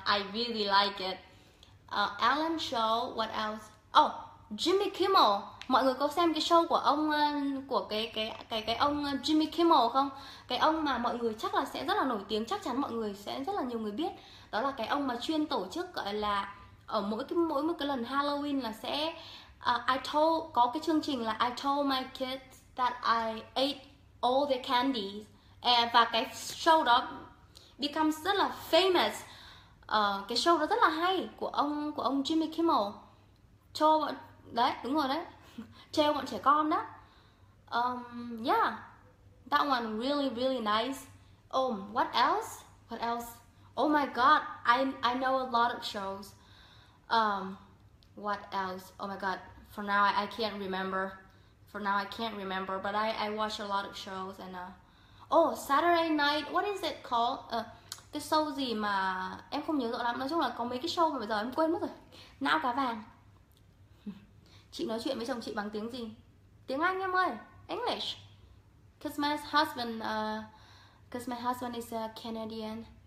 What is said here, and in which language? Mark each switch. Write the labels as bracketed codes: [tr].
[en] I really like it. Ellen show, what else? Oh, Jimmy Kimmel. [vi] Mọi người có xem cái show của ông của cái ông Jimmy Kimmel không? Cái ông mà mọi người chắc là sẽ rất là nổi tiếng, chắc chắn mọi người sẽ rất là nhiều người biết. Đó là cái ông mà chuyên tổ chức gọi là ở mỗi một cái lần Halloween là sẽ có cái chương trình là [en] I told my kids that I ate all the candies. [vi] Và cái show đó becomes rất là famous. Cái show đó rất là hay của ông Jimmy Kimmel. Cho bọn đấy, đúng rồi đấy. Trêu bọn trẻ con đó. Yeah. [en] That one really really nice. Oh, what else? What else? Oh my god, I know a lot of shows. What else? Oh my god. For now I can't remember. For now I can't remember, but I watch a lot of shows and oh, Saturday night, what is it called? [vi] Cái show gì mà em không nhớ rõ lắm. Nói chung là có mấy cái show mà bây giờ em quên mất rồi. Não cá vàng. Chị nói chuyện với chồng chị bằng tiếng gì? Tiếng Anh em ơi. English. [en] Cause my husband is a Canadian.